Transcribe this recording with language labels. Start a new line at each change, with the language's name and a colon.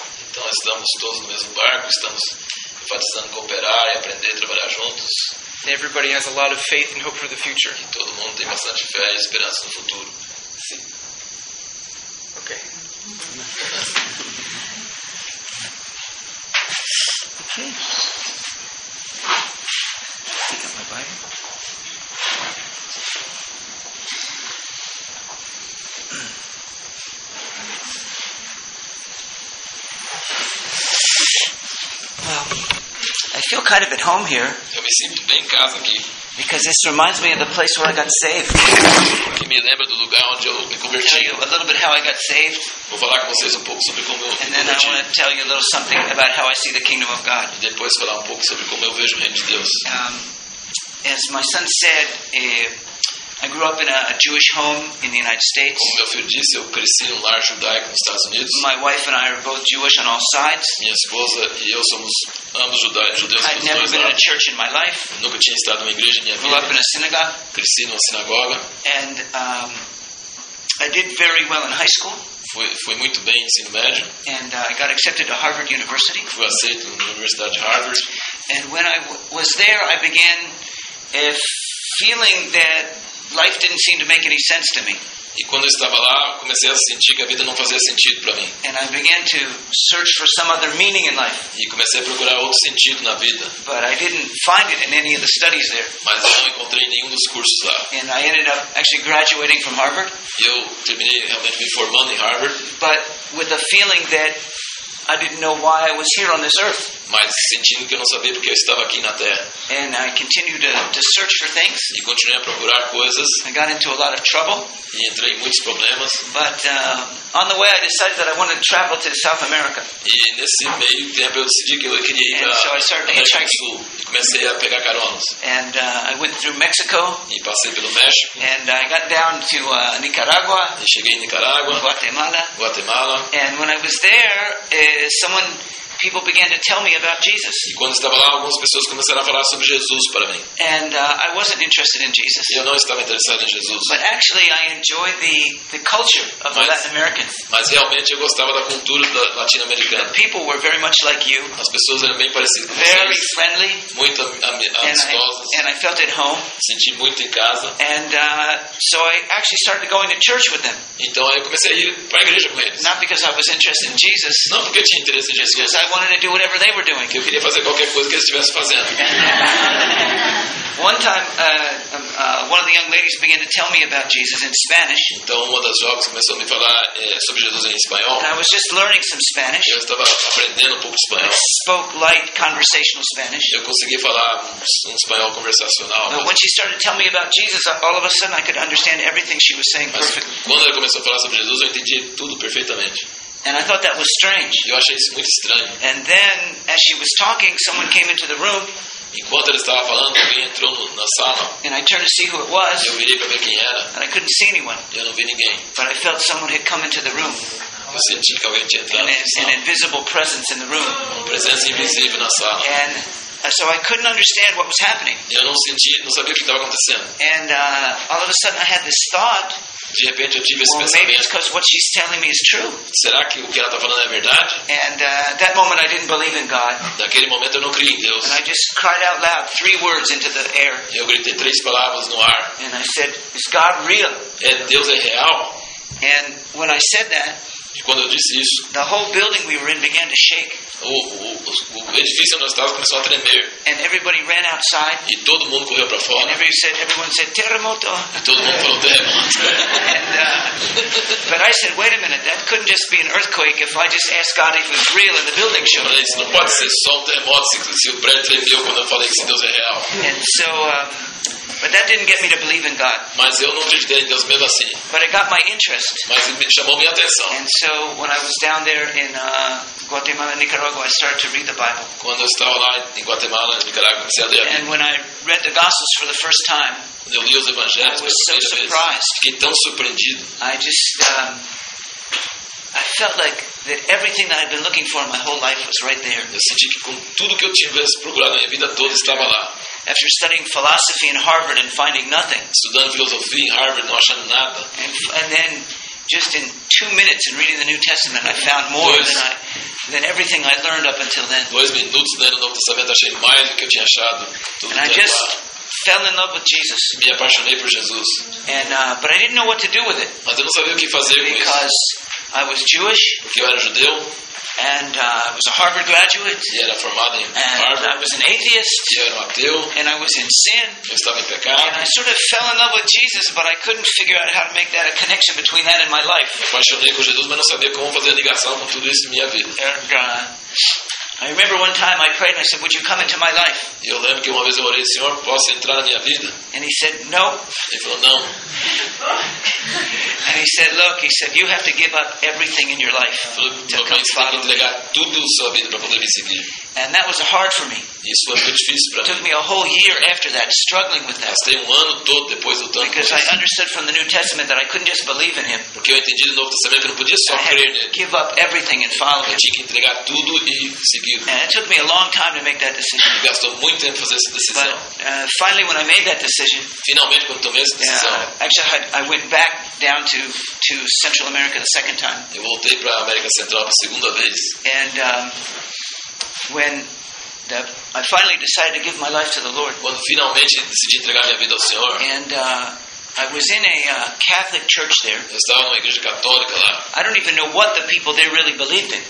Portuguese: Então estamos todos no mesmo barco, estamos enfatizando cooperar e aprender a trabalhar juntos.
English: And everybody has a lot of faith and hope for the future.
Portuguese: E todo mundo tem bastante fé e esperança no futuro. Sim. Okay.
English: Take out my Bible. I feel kind of at home here.
Portuguese: Eu me sinto bem em casa aqui.
English: Because this reminds me of the place where I got saved.
Portuguese: Que me lembra do lugar onde eu me converti.
English: Tell you a little bit how I got saved.
Portuguese: Vou falar com vocês pouco sobre como eu
English: and then
Portuguese: converti.
English: I want to tell you a little something about how I see the kingdom of God.
Portuguese: E depois falar pouco sobre como eu vejo o reino de Deus.
English: As my son said, I grew up in a Jewish home in the United States.
Portuguese: Como meu filho disse, eu cresci em lar judaico nos Estados Unidos.
English: My wife and I are both Jewish on all sides.
Portuguese: Minha esposa e eu somos ambos judeus.
English: I've never been in a church in my life.
Portuguese: Nunca tinha estado numa igreja em minha vida.
English: Grew up in a synagogue.
Portuguese: Cresci numa sinagoga.
English: And I did very well in high school.
Portuguese: Fui muito bem em ensino médio.
English: And I got accepted to Harvard University.
Portuguese: Fui aceito na Universidade de Harvard.
English: And when I was there, I began feeling that life didn't seem to make any sense to me.
Portuguese: E quando eu estava lá, comecei a sentir que a vida não fazia sentido para mim.
English: And I began to search for some other meaning in life.
Portuguese: E comecei a procurar outro sentido na vida.
English: But I didn't find it in any of the studies there.
Portuguese: Mas eu não encontrei nenhum dos cursos lá.
English: And I ended up actually graduating from Harvard.
Portuguese: E eu terminei realmente me formando em Harvard.
English: But with a feeling that I didn't know why I was here on this earth.
Portuguese: Mas sentindo que eu não sabia porque eu estava aqui na Terra.
English: And I continued to search for things.
Portuguese: E continuei a procurar coisas.
English: I got into a lot of trouble.
Portuguese: E entrei em muitos problemas.
English: But on the way, I decided that I wanted to travel to South America.
Portuguese: E nesse meio tempo eu decidi que eu queria ir para
English: so
Portuguese: América do Sul. E comecei a pegar caronas.
English: And I went through Mexico.
Portuguese: E passei pelo México.
English: And I got down to Nicaragua.
Portuguese: E cheguei em Nicaragua.
English: Guatemala. And when I was there, people began to tell me about Jesus.
Portuguese: E quando estava lá, algumas pessoas começaram a falar sobre Jesus para mim.
English: And I wasn't interested in Jesus.
Portuguese: E eu não estava interessado em Jesus.
English: But actually, I enjoyed the culture of the Latin Americans.
Portuguese: Mas realmente eu gostava da cultura da latino-americana.
English: The people were very much like you.
Portuguese: As pessoas eram bem parecidas com
English: very
Portuguese: vocês.
English: Very friendly.
Portuguese: Muito amistosas.
English: And I felt at home.
Portuguese: Senti muito em casa.
English: And so I actually started going to church with them.
Portuguese: Então eu comecei a ir para a igreja com eles.
English: Not because I was interested in Jesus.
Portuguese: Não porque eu tinha interesse em Jesus.
English: I wanted to do whatever they were doing.
Portuguese: Eu queria fazer qualquer coisa que eles estivessem fazendo.
English: One time, one of the young ladies began to tell me about Jesus in Spanish.
Portuguese: Então, uma das jovens começou a me falar sobre Jesus em espanhol.
English: And I was just learning some Spanish.
Portuguese: Eu estava aprendendo pouco espanhol.
English: I spoke light conversational Spanish.
Portuguese: Eu conseguia falar espanhol conversacional.
English: But when she started telling me about Jesus, all of a sudden I could understand everything she was saying perfectly.
Portuguese: Quando ela começou a falar sobre Jesus, eu entendi tudo perfeitamente.
English: And I thought that was strange.
Portuguese: Eu achei isso muito estranho.
English: And then, as she was talking, someone came into the room.
Portuguese: Enquanto ela estava falando, alguém entrou na sala.
English: And I turned to see who it was.
Portuguese: Eu virei para ver quem era.
English: And I couldn't see anyone.
Portuguese: Eu não vi ninguém.
English: But I felt someone had come into the room.
Portuguese: Eu senti que alguém tinha entrado na sala.
English: An invisible presence in the room.
Portuguese: Uma presença invisível na sala.
English: And so I couldn't understand what was happening.
Portuguese: Eu não senti, não sabia o que estava acontecendo.
English: And all of a sudden I had this thought.
Portuguese: De repente eu tive esse
English: well,
Portuguese: pensamento.
English: Maybe it's because what she's telling me is true.
Portuguese: Será que o que ela está falando é verdade?
English: And that moment I didn't believe in God.
Portuguese: Naquele momento eu não criei em Deus.
English: And I just cried out loud three words into the air.
Portuguese: Eu gritei três palavras no ar.
English: And I said, "Is God real?"
Portuguese: É, Deus é real?
English: And when I said that,
Portuguese: e quando eu disse isso,
English: the whole building we were in began to shake.
Portuguese: O edifício onde nós estávamos começou a tremer.
English: And everybody ran outside.
Portuguese: E todo mundo correu para fora.
English: And everyone said terremoto.
Portuguese: E todo mundo falou terremoto.
English: But I said, wait a minute, that couldn't just be an earthquake if I just asked God if it was real and the building shook.
Portuguese: Mas isso não pode ser só um terremoto se o prédio tremeu quando eu falei que se Deus é real.
English: And so But that didn't get me to believe in God.
Portuguese: Mas eu não acreditei em Deus mesmo assim.
English: But it got my interest.
Portuguese: Mas me chamou minha atenção.
English: And so when I was down there in Guatemala, Nicaragua, I started to read the Bible.
Portuguese: Quando eu estava lá em Guatemala, Nicaragua, comecei a ler a Bíblia.
English: And when I read the Gospels for the first time,
Portuguese: eu li os Evangelhos pela primeira vez.
English: Surprised.
Portuguese: Fiquei tão surpreendido.
English: I just I felt like that everything that I'd been looking for my whole life was right there.
Portuguese: Eu senti que com tudo que eu tinha procurado na minha vida toda estava lá.
English: After studying philosophy in Harvard and finding nothing.
Portuguese: Estudando filosofia em Harvard, não achando nada.
English: And then just in 2 minutes in reading the New Testament, I found more than everything I learned up until then.
Portuguese: 2 minutos lendo o Novo Testamento, achei mais do que eu tinha achado. Tudo
English: and I just fell in love with Jesus.
Portuguese: Me apaixonei por Jesus.
English: And but I didn't know what to do with it.
Portuguese: Mas eu não sabia o que fazer com isso.
English: Because I was Jewish.
Portuguese: Porque eu era judeu.
English: And I was a Harvard graduate.
Portuguese: E era formado em
English: and
Portuguese: Harvard.
English: I was an atheist.
Portuguese: E eu era um ateu.
English: And I was in sin.
Portuguese: Eu estava em pecado.
English: And I sort of fell in love with Jesus, but I couldn't figure out how to make that a connection between that and my life.
Portuguese: Eu apaixonei com Jesus, mas não sabia como fazer a ligação com tudo isso em minha vida.
English: And, I remember one time I prayed and I said, "Would you come into my life?"
Portuguese: E eu lembro que uma vez eu orei, Senhor, posso entrar na minha vida?
English: And he said, "No."
Portuguese: Ele falou, não.
English: And he said, "Look," he said, "you have to give up everything in your life to come follow me."
Portuguese: Entregar tudo sua vida para poder me seguir.
English: And that was hard for me.
Portuguese: Isso foi muito difícil para mim.
English: Took me a whole year after that, struggling with that.
Portuguese: Gastei ano todo depois lutando.
English: Because I understood from the New Testament that I couldn't just believe in Him.
Portuguese: Porque eu entendi do Novo Testamento que não podia só crer nele.
English: Give up everything and follow Him.
Portuguese: Eu tinha que entregar tudo e seguir.
English: And it took me a long time to make that decision.
Portuguese: E gastou muito tempo fazer essa decisão.
English: But finally, when I made that decision,
Portuguese: finalmente quando tomei essa decisão,
English: I went back down to Central America the second time.
Portuguese: Eu voltei para América Central a segunda vez.
English: And when I finally decided to give my life to the Lord.
Portuguese: Quando finalmente decidi entregar minha vida ao Senhor.
English: And I was in a Catholic church there.
Portuguese: Eu estava numa igreja católica lá.
English: I don't even know what the people there really believed in.